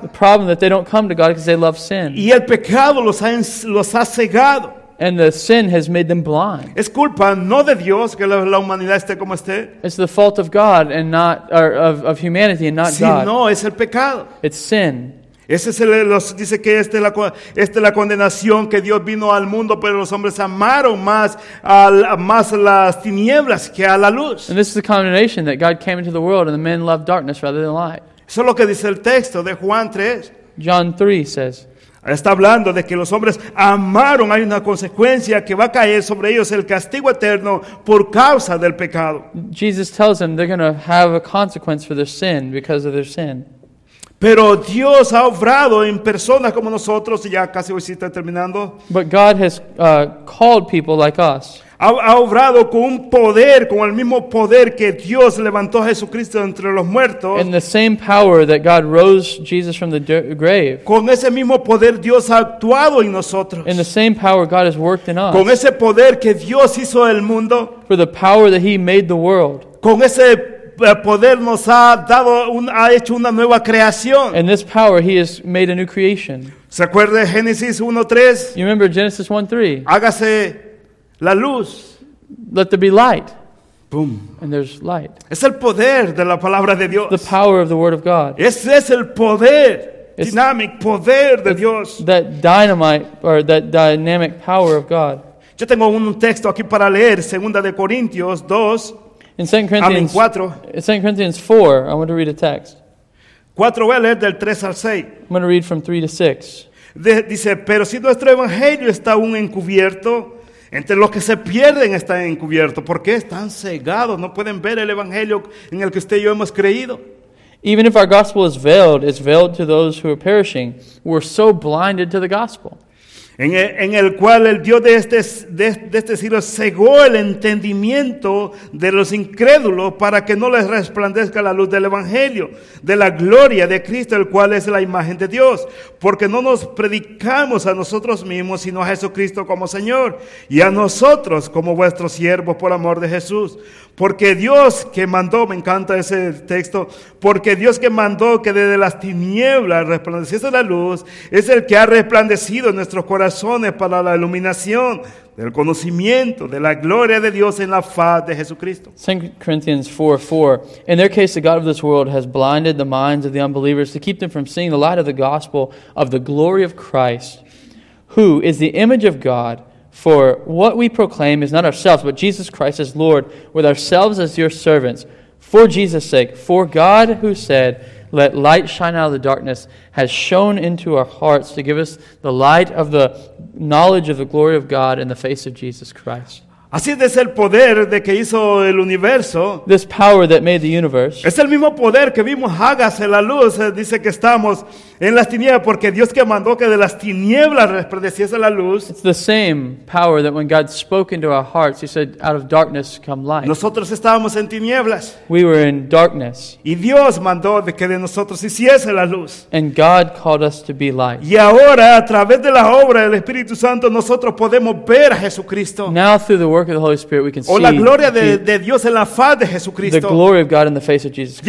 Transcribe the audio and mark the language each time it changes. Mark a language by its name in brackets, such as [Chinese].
[English] The problem that they don't come to God because they love sin. [Spanish] Y el pecado los ha cegado. [English] And the sin has made them blind. [Spanish] Es culpa no de Dios que la humanidad esté como esté. [English] It's the fault of God and not of humanity and not God. [Spanish] Sí, no, es el pecado. [English] It's sin. [Spanish] Ese es dice que esta es la condenación, que Dios vino al mundo, pero los hombres amaron más las tinieblas que a la luz. [English] And this is the condemnation, that God came into the world and the men loved darkness rather than light. [Spanish] Eso es lo que dice el texto de Juan 3. [English] John 3 says. [Spanish] Está hablando de que los hombres amaron. Hay una consecuencia que va a caer sobre ellos, el castigo eterno por causa del pecado. [English] Jesus tells them they're going to have a consequence for their sin because of their sin. [Spanish] Pero Dios ha obrado en personas como nosotros, y ya casi hoy sí está terminando. [English] But God has called people like us. [Spanish] Ha obrado con un poder, con el mismo poder que Dios levantó a Jesucristo entre los muertos. [English] In the same power that God rose Jesus from the grave. [Spanish] Con ese mismo poder Dios ha actuado en nosotros. [English] In the same power God has worked in us. [Spanish] Con ese poder que Dios hizo el mundo. [English] For the power that he made the world. [Spanish] Con ese poder nos ha dado, ha hecho una nueva creación. [English] In this power he has made a new creation. [Spanish] ¿Se acuerda de Génesis 1:3? [English] You remember Genesis 1:3? [Spanish] Hágase la luz. [English] Let there be light. Boom. And there's light. [Spanish] Es el poder de la palabra de Dios. [English] The power of the word of God. [Spanish] Es el poder. [English] It's dynamic [Spanish] poder de Dios. [English] That dynamite or that dynamic power of God. [Spanish] Yo tengo un texto aquí para leer. Segunda de Corintios 2. [English] In 2 Corinthians 4. In 2 Corinthians 4. I want to read a text. [Spanish] 4 voy a leer del 3 al 6. [English] I'm going to read from 3 to 6. [Spanish] Dice, pero si nuestro evangelio está aún encubierto, entre los que se pierden están encubiertos. ¿Por qué? Están cegados. No pueden ver el evangelio en el que usted y yo hemos creído. [English] Even if our gospel is veiled, it's veiled to those who are perishing. We're so blinded to the gospel. [Spanish] En el cual el Dios de este siglo cegó el entendimiento de los incrédulos para que no les resplandezca la luz del evangelio, de la gloria de Cristo, el cual es la imagen de Dios. Porque no nos predicamos a nosotros mismos, sino a Jesucristo como Señor, y a nosotros como vuestros siervos por amor de Jesús. Porque Dios que mandó, me encanta ese texto, porque Dios que mandó que desde las tinieblas resplandeciese la luz, es el que ha resplandecido nuestros corazones para la iluminación del conocimiento de la gloria de Dios en la faz de Jesucristo. [English] 2 Corinthians 4:4. In their case, the God of this world has blinded the minds of the unbelievers to keep them from seeing the light of the gospel of the glory of Christ, who is the image of God. For what we proclaim is not ourselves, but Jesus Christ as Lord, with ourselves as your servants, for Jesus' sake. For God, who said, let light shine out of the darkness, has shone into our hearts to give us the light of the knowledge of the glory of God in the face of Jesus Christ. [Spanish] Así es el poder de que hizo el universo. [English] This power that made the universe. [Spanish] Es el mismo poder que vimos, hágase la luz. Dice que estamos en las tinieblas porque Dios que mandó que de las tinieblas resplandeciese la luz. [English] It's the same power that when God spoke into our hearts, he said, out of darkness come light. [Spanish] Nosotros estábamos en tinieblas. [English] We were in darkness. [Spanish] Y Dios mandó de que de nosotros hiciese la luz. [English] And God called us to be light. [Spanish] Y ahora, a través de la obra del Espíritu Santo, nosotros podemos ver a Jesucristo. [English] Now through the work of the Holy Spirit, we can see [Spanish] o la gloria de Dios en la faz de Jesucristo. [English] The glory of God in the face of Jesus Christ.